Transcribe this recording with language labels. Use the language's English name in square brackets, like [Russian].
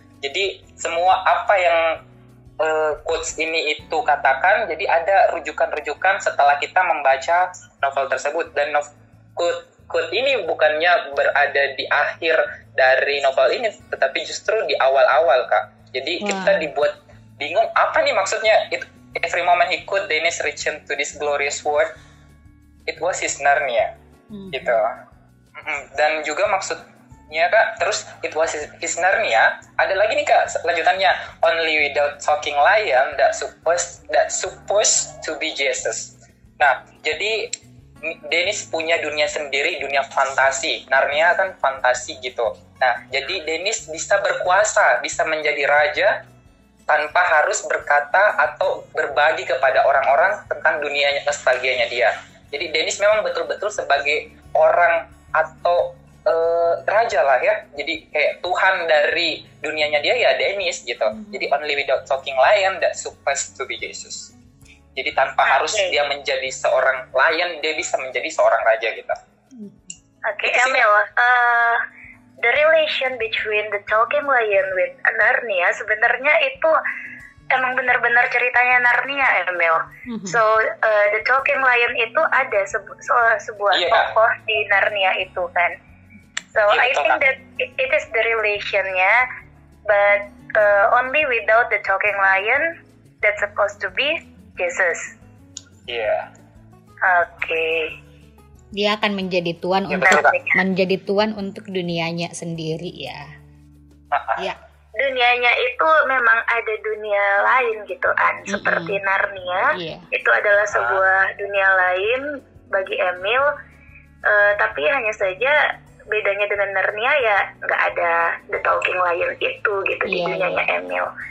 [Indonesian] Jadi semua apa yang quotes ini itu katakan, jadi ada rujukan-rujukan setelah kita membaca novel tersebut. Dan quote ini bukannya berada di akhir dari novel ini, tetapi justru di awal-awal, Kak. Jadi kita dibuat bingung, apa nih maksudnya? [English] Every moment he could, Dennis returned to this glorious world, it was his Narnia, gitu. [Indonesian] Dan juga maksud ya kak, terus it was his Narnia. [English] Ada lagi nih kak, lanjutannya only without talking lion that supposed to be Jesus. [Indonesian] Nah, jadi Dennis punya dunia sendiri, dunia fantasi. Narnia kan fantasi gitu. Nah, jadi Dennis bisa berkuasa, bisa menjadi raja tanpa harus berkata atau berbagi kepada orang-orang tentang dunianya, nostalgianya dia. Jadi Dennis memang betul-betul sebagai orang atau raja lah ya, jadi kayak Tuhan dari dunianya dia ya Dennis gitu. [English] Jadi only without talking lion that supposed to be Jesus. [Indonesian] Jadi tanpa harus dia menjadi seorang lion, dia bisa menjadi seorang raja gitu. [English] Oke, okay, Emil, the relation between the talking lion with Narnia sebenarnya itu emang benar-benar ceritanya Narnia, Emil. [Indonesian] So the talking lion itu ada sebuah tokoh di Narnia itu kan. [English] So [Indonesian] iya, [English] I think that it is the relationnya, but only without the talking lion that's supposed to be Jesus. Yeah. Okay. [Indonesian] Dia akan menjadi tuan untuk dunianya sendiri ya. Iya. Dunianya itu memang ada dunia lain gitu kan, seperti Narnia. Iya. Itu adalah sebuah dunia lain bagi Emil, tapi hanya saja bedanya dengan Narnia ya nggak ada the talking lion itu gitu di dunianya Emil.